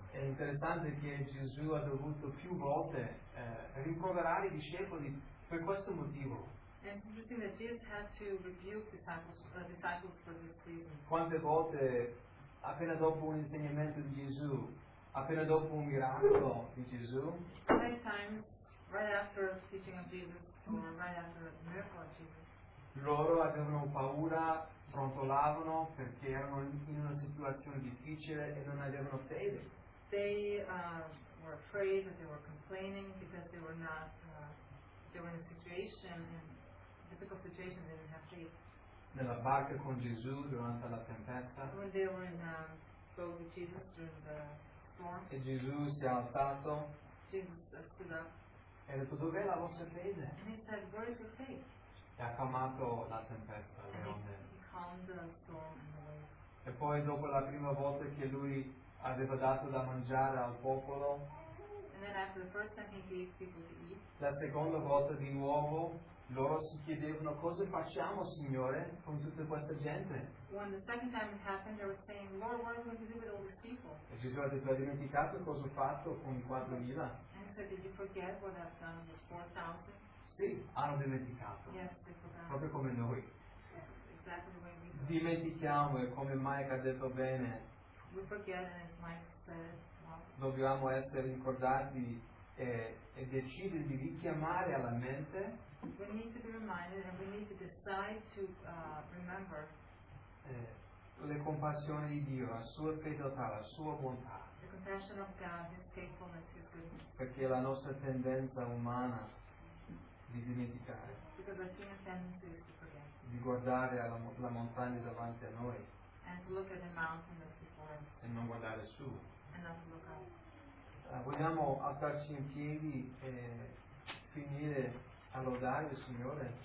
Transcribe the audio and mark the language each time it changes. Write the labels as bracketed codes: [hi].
[it] È interessante che Gesù ha dovuto più volte rimproverare i discepoli per questo motivo. [en] It's interesting that Jesus had to rebuke the disciples for this reason. [it] Quante volte, appena dopo un insegnamento di Gesù, appena dopo un miracolo di Gesù, [en] many times, right after the teaching of Jesus, or right after the miracle of Jesus, [it] loro avevano paura, brontolavano, perché erano in una situazione difficile e non avevano fede. [en] They were afraid that they were complaining because they were not, they were in a situation, in a difficult situation, they didn't have faith. [it] Nella barca con Gesù durante la tempesta. [en] When they were in boat with Jesus during the storm. [it] E Gesù si è alzato. [en] Jesus stood up. [it] E ha detto, dov'è la vostra fede? [en] And he said, where is your faith? [it] E ha calmato la tempesta. [en] He calmed the storm and the wind. [it] E poi dopo la prima volta che lui aveva dato da mangiare al popolo. [en] And then after the first time he gave people to eat. [it] La seconda volta di nuovo. Loro si chiedevano, cosa facciamo, Signore, con tutta questa gente? [en] When the second time it happened, they were saying, Lord, what are we going to do with all these people? [it] E Gesù ha detto, hai dimenticato cosa ho fatto con i 4,000? [en] And he said, did you forget what I've done with 4,000? [it] Sì, hanno dimenticato. [en] Yes, they forgot. [it] Proprio come noi. [en] Yes, exactly the way we do. [it] Dimentichiamo, e come Mike ha detto bene. [en] We forget, and as Mike said, wow. [it] Dobbiamo essere ricordati e decidere di richiamare alla mente. [en] We need to be reminded and we need to decide to remember [it] le compassioni di Dio, la sua fedeltà, la sua bontà. [en] The compassion of God, his faithfulness, his goodness. [it] Perché la nostra tendenza umana di dimenticare. [en] Because our human tendency is to forget. [it] Di guardare la montagna davanti a noi. [en] And to look at the mountain that's before us. [it] E non guardare su. [en] And not to look up. [it] Vogliamo alzarci in piedi e finire a lodare il Signore.